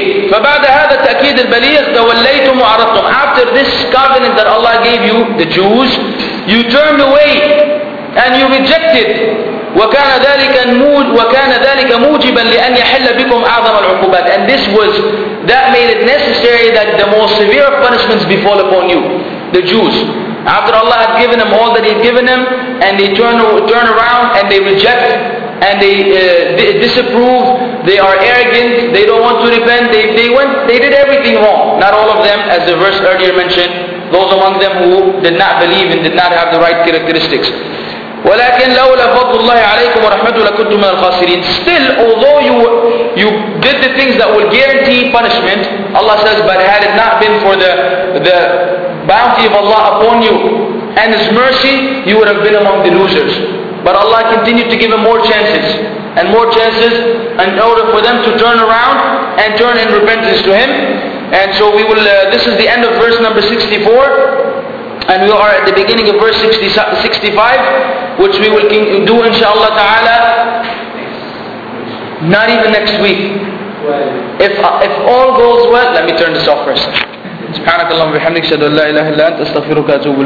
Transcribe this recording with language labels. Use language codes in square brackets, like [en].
[ar] فبعد هذا التأكيد البليغ توليتم وعرضتم. [en] After this covenant that Allah gave you, the Jews, you turned away and you rejected. [ar] وكان ذلك موجبا لأن يحل بكم أعظم العقوبات. [en] And this was, that made it necessary that the most severe punishments befall upon you, the Jews. After Allah had given them all that He had given them, and they turn around and they reject, and they disapprove, they are arrogant, they don't want to repent, they did everything wrong. Not all of them, as the verse earlier mentioned, those among them who did not believe and did not have the right characteristics. [ar] وَلَكِنْ لَوْلَ فَضْلُ اللَّهِ عَلَيْكُمْ وَرَحْمَتُهُ لَكُنْتُمْ مِنَ الْخَاسِرِينَ. [en] Still, although you did the things that will guarantee punishment, Allah says, but had it not been for the bounty of Allah upon you and His mercy, you would have been among the losers. But Allah continued to give them more chances and more chances in order for them to turn around and turn in repentance to Him. And so we will, this is the end of verse number 64, and we are at the beginning of verse 65, which we will do inshallah ta'ala not even next week. If all goes well, let me turn this off first. [ar] سبحانك اللهم وبحمدك اشهد ان لا اله الا انت استغفرك واتوب اليك.